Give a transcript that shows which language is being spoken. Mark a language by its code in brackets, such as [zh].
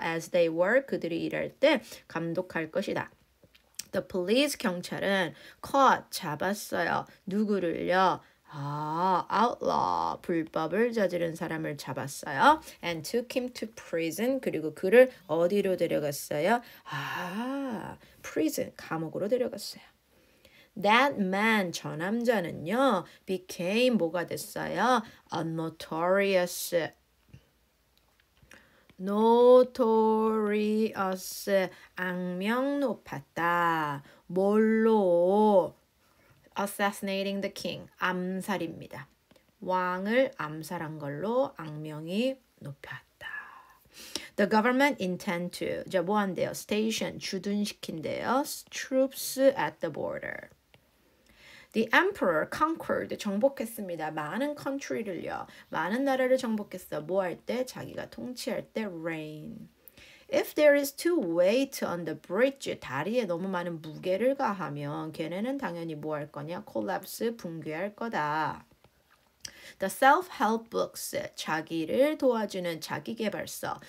[en] As they work, [ko] 그들이 일할 때 감독할 것이다. [en] The police [ko] 경찰은 [en] caught [ko] 잡았어요. 누구를요? 아, outlaw 불법을 저지른 사람을 잡았어요. [en] And took him to prison. [ko] 그리고 그를 어디로 데려갔어요? 아, prison 감옥으로 데려갔어요. [en] That man [ko] 저 남자는요 [en] became [ko] 뭐가 됐어요? [en] A notorious. [ko] Notorious 악명 높았다. 뭘로? [en] Assassinating the king [ko] 암살입니다. 왕을 암살한 걸로 악명이 높았다. [en] The government intend to [ko] 자 뭐 한대요? Station 주둔시킨대요. [en] Troops at the border. The emperor conquered [ko] 정복했습니다. 많은 country를요. 많은 나라를 정복했어. 뭐 할 때? 자기가 통치할 때 reign. [en] If there is too weight on the bridge, [ko] 다리에 너무 많은 무게를 가하면 걔네는 당연히 뭐 할 거냐? Collapse, 붕괴할 거다. [en] The self-help books, [ko] 자기를 도와주는 자기계발서.